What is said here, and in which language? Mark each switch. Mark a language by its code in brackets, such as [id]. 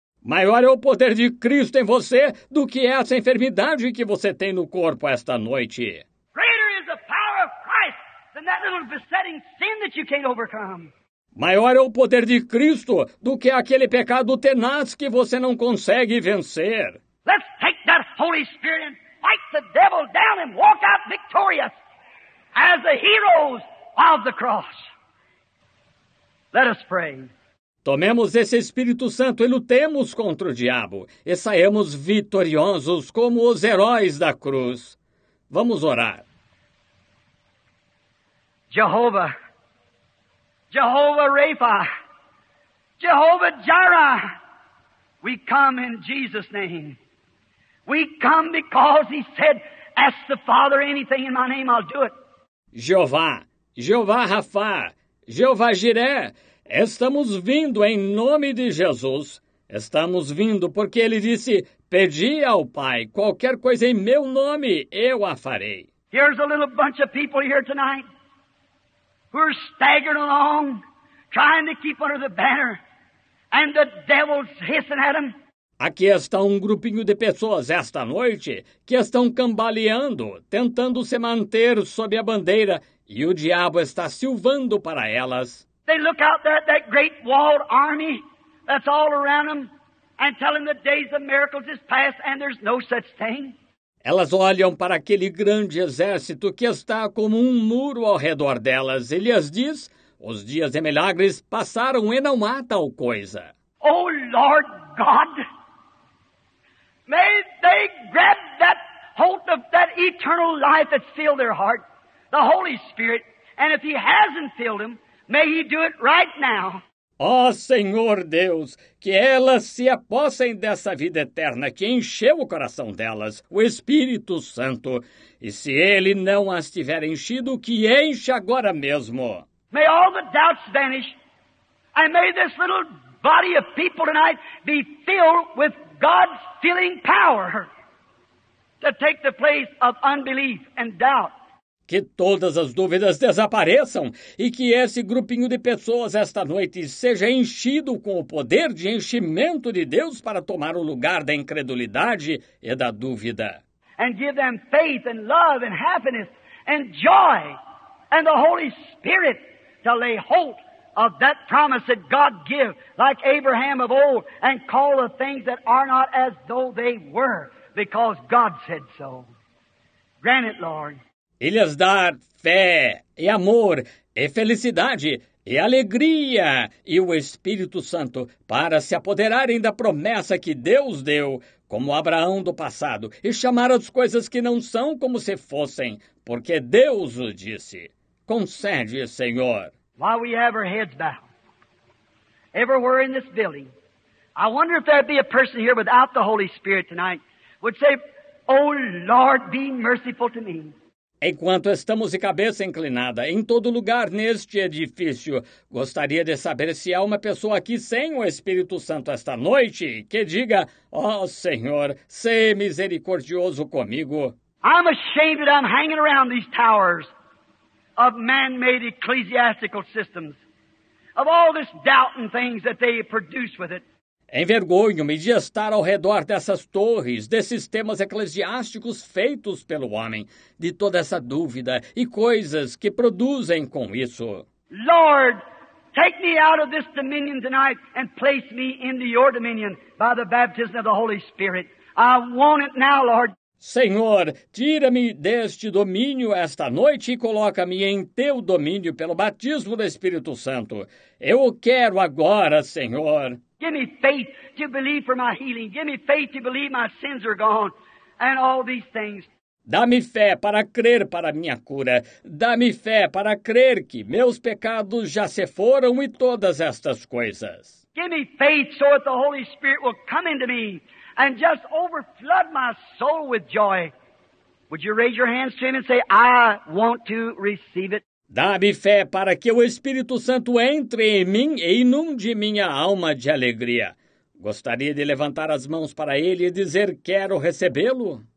[pt] Maior é o poder de Cristo em você do que essa enfermidade que você tem no corpo esta noite. [en] Greater is the power of Christ than that little besetting sin that you can't overcome. [pt] Maior é o poder de Cristo do que aquele pecado tenaz que você não consegue vencer. [en] Let's take that Holy Spirit and fight the devil down and walk out victorious as the heroes of the cross. Let us pray. [pt] Tomemos esse Espírito Santo e lutemos contra o diabo e saímos vitoriosos como os heróis da cruz. Vamos orar. [en] Jehovah, Jehovah Rapha, Jehovah Jireh, we come in Jesus' name. We come because he said, ask the Father anything in my name, I'll do it. [pt] Jeová, Jeová Rapha, Jeová Jireh, estamos vindo em nome de Jesus. Estamos vindo porque ele disse, pedi ao Pai qualquer coisa em meu nome, eu a farei. [en] Here's a little bunch of people here tonight. We're staggering along, trying to keep under the banner, and the devil's hissing at them. [pt] Aqui está um grupinho de pessoas esta noite que estão cambaleando, tentando se manter sob a bandeira, e o diabo está silvando para elas. [en] They look out there at that great walled army that's all around them and tell them the days of miracles is past and there's no such thing. [pt] Elas olham para aquele grande exército que está como um muro ao redor delas. E lhes diz, os dias de milagres passaram e não há tal coisa. [en] Oh, Lord God, may they grab that hold of that eternal life that filled their heart, the Holy Spirit, and if he hasn't filled them, may he do it right now. [pt] Ó Senhor Deus, que elas se apossem dessa vida eterna que encheu o coração delas, o Espírito Santo. E se ele não as tiver enchido, que enche agora mesmo. [en] May all the doubts vanish, and may this little body of people tonight be filled with God's filling power to take the place of unbelief and doubt. [pt] Que todas as dúvidas desapareçam e que esse grupinho de pessoas esta noite seja enchido com o poder de enchimento de Deus para tomar o lugar da incredulidade e da dúvida. [en] And give them faith and love and happiness and joy and the Holy Spirit to lay hold of that promise that God gave, like Abraham of old, and call the things that are not as though they were, because God said so. Grant it, Lord. [pt] E lhes dar fé, e amor, e felicidade, e alegria, e o Espírito Santo, para se apoderarem da promessa que Deus deu, como Abraão do passado, e chamar as coisas que não são como se fossem, porque Deus o disse. Concede, Senhor. [en] While we have our heads bowed, everywhere in this building, I wonder if there'd be a person here without the Holy Spirit tonight, would say, oh Lord, be merciful to me. [pt] Enquanto estamos de cabeça inclinada, em todo lugar neste edifício, gostaria de saber se há uma pessoa aqui sem o Espírito Santo esta noite que diga, ó Senhor, sê misericordioso comigo. [en] I'm ashamed that I'm hanging around these towers of man-made ecclesiastical systems, of all this doubt and things that they produce with it. [pt] Envergonho-me de estar ao redor dessas torres, desses sistemas eclesiásticos feitos pelo homem, de toda essa dúvida e coisas que produzem com isso. [en] Lord, take me out of this dominion tonight and place me into your dominion by the baptism of the Holy Spirit. I want it now, Lord. [pt] Senhor, tira-me deste domínio esta noite e coloca-me em teu domínio pelo batismo do Espírito Santo. Eu o quero agora, Senhor. [en] Give me faith to believe for my healing. Give me faith to believe my sins are gone and all these things. [pt] Dá-me fé para crer para minha cura. Dá-me fé para crer que meus pecados já se foram e todas estas coisas. [en] Give me faith so that the Holy Spirit will come into me and just overflood my soul with joy. Would you raise your hands to him and say, I want to receive it? [pt] Dá-me fé para que o Espírito Santo entre em mim e inunde minha alma de alegria. Gostaria de levantar as mãos para ele e dizer, quero recebê-lo.